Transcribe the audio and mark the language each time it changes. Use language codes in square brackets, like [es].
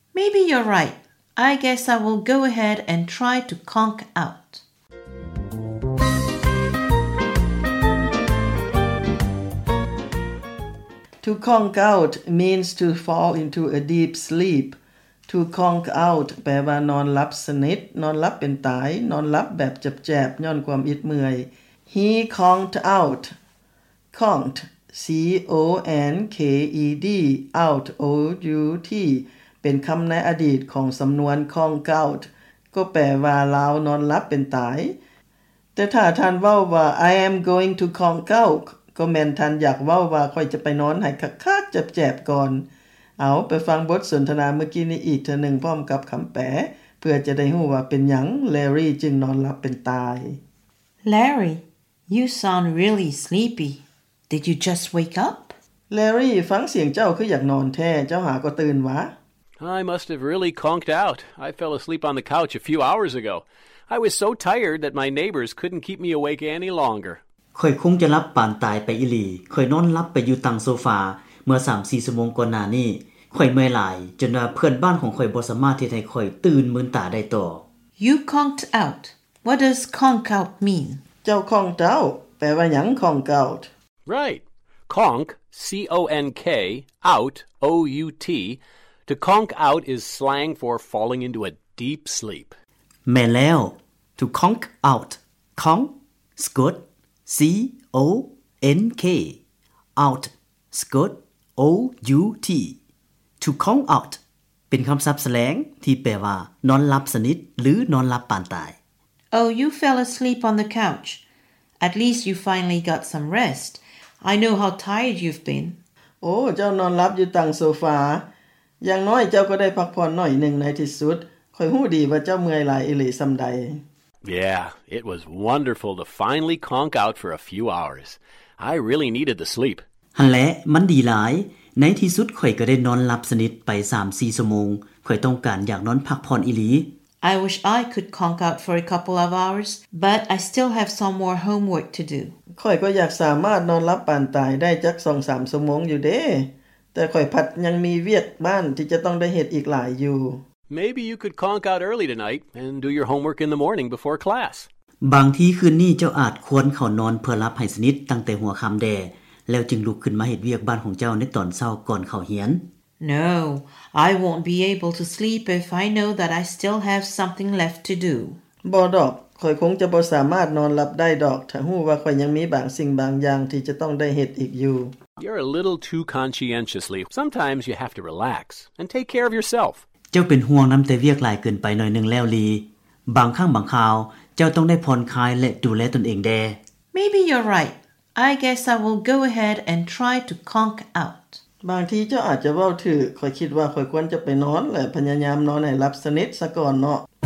[en] Maybe you're right. I guess I will go ahead and try to conk out. To conk out means to fall into a deep sleep. [tts] To conk out แปลว่านอนหลับสนิทนอนหลับเป็นตายนอนหลับแบบเจ็บๆย้อนความอิดเมื่อย [en] He conked out Conked C-O-N-K-E-D Out O-U-T [tts] เป็นคำในอดีตของสำนวน conk out ก็แปลว่าเรานอนหลับเป็นตาย แต่ถ้าท่านเว้าว่า [en] I am going to Kongkauk [tts] ก็แม่นท่านอยากเว้าว่าข่อยจะไปนอนให้คักๆเจ็บๆก่อนเอาไปฟังบทสนทนาเมื่อกี้นี้อีกเทอหนึ่งพร้อมกับคำแปลเพื่อจะได้รู้ว่าเป็นหยังแลรี่จึงนอนหลับเป็นตาย [en] Larry you sound really sleepy did you just wake up [tts] Larry, ฟังเสียงเจ้าคืออยากนอนแท้เจ้าหาก็ตื่นวะ [en] I must have really conked out. I fell asleep on the couch a few hours ago. I was so tired that my neighbors couldn't keep me awake any longer. [tts] ข่อยคงจะหลับปานตายไปอีหลีข่อยนอนหลับไปอยู่ตังโซฟาเมื่อ 3-4 ชั่วโมงก่อนหน้านี้ข่อยเมื่อยหลายจนว่าเพื่อนบ้านของข่อยบ่สามารถเฮ็ดให้ข่อยตื่นมื้นตาได้ต่อ [en] You conked out. What does conk out mean? [tts] เจ้าคองเต้าแปลว่าหยัง conk out? [en] Right. Conk, C-O-N-K, out, O-U-T. To conk out is slang for falling into a deep sleep. Meleo, to conk out. Conk, skirt, C-O-N-K. Out, skirt, O-U-T. To conk out. [tts] เป็นคำศัพท์สแลงที่แปลว่านอนหลับสนิทหรือนอนหลับปานตาย [en] Oh, you fell asleep on the couch. At least you finally got some rest. I know how tired you've been. [tts] Oh, เจ้านอนหลับอยู่ตังโซฟาอย่างน้อยเจ้าก็ได้พักผ่อนหน่อยหนึ่งในที่สุดข่อยฮู้ดีว่าเจ้าเมื่อยหลายอีหลีซำใด [en] Yeah, it was wonderful to finally conk out for a few hours. I really needed the sleep. [tts] ฮั่นแหละมันดีหลายในที่สุดข่อยก็ได้นอนหลับสนิทไป 3-4 ชั่วโมงข่อยต้องการอยากนอนพักผ่อนอีหลี [en] I wish I could conk out for a couple of hours, but I still have some more homework to do. [tts] ข่อยก็อยากสามารถนอนหลับปานตายได้จัก 2-3 ชั่วโมงอยู่เด้แต่ข่อยผัดยังมีเวียกบ้านที่จะต้องได้เฮ็ดอีกหลายอยู่ [en] Maybe you could conk out early tonight and do your homework in the morning before class [tts] บางทีคืนนี้เจ้าอาจควรเข้านอนเพื่อหลับให้สนิทตั้งแต่หัวค่ําแดแล้วจึงลุกขึ้นมาเฮ็ดเวียกบ้านของเจ้าในตอนเช้าก่อนเข้าเรียน [en] No I won't be able to sleep if I know that I still have something left to do [tts] บ่ดอกข่อยคงจะบ่สามารถนอนหลับได้ดอกถ้าฮู้ว่าข่อยยังมีบางสิ่งบางอย่างที่จะต้องได้เฮ็ดอีกอยู่ [en] You're a little too conscientiously. Sometimes you have to relax and take care of yourself. [tts] เจ้าเป็นห่วงน้ําแต่เวียกหลายเกินไปหน่อยนึงแล้วลีบางครั้งบางคราวเจ้าต้องได้ผ่อนคลายและดูแลตนเองแด [en] Maybe you're right. I guess I will go ahead and try to conk out. [tts] บางทีเจ้าอาจจะเว้าถูกข่อยคิดว่าข่อยควรจะไปนอนและพยายามนอนให้หลับสนิทซะก่อนเนาะ